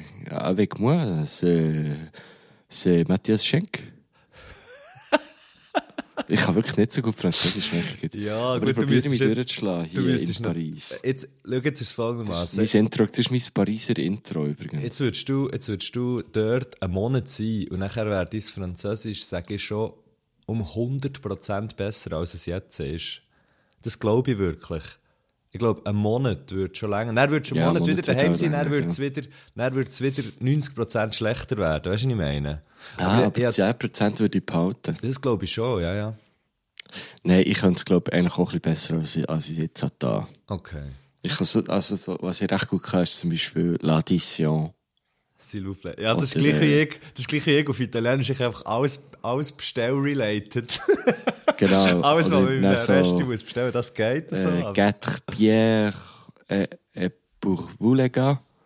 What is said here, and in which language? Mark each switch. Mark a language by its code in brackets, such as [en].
[fr] Avec moi, c'est Matthias Schenk. [de] Ich kann wirklich nicht so gut Französisch sprechen. Ja, aber gut, ich probiere mich durchzuschlagen hier in Paris. Jetzt ist es folgendermaßen. Das ist mein Pariser Intro übrigens. Jetzt würdest du dort einen Monat sein und nachher wäre dein Französisch, sage ich schon, um 100% besser, als es jetzt ist. Das glaube ich wirklich. Ich glaube, ein Monat wird schon länger. Dann wird schon Monat wieder daheim sein, dann wird es wieder 90% schlechter werden. Weißt du, was ich meine? Aber 10% würde ich behalten. Das glaube ich schon, ja. Nein, ich könnte es, glaube ich, eigentlich auch ein bisschen besser, als ich jetzt habe. Da. Okay. Was ich recht gut kann, ist zum Beispiel [fr] L'Addition. S'il vous plaît. [de] Ja, das ist gleich wie ich auf Italienisch. Ich einfach alles bestell-related. Genau. Alles, was man mit dem Rest muss bestellen, das geht. So. [fr] Quatre Pierre pour vous, les gars.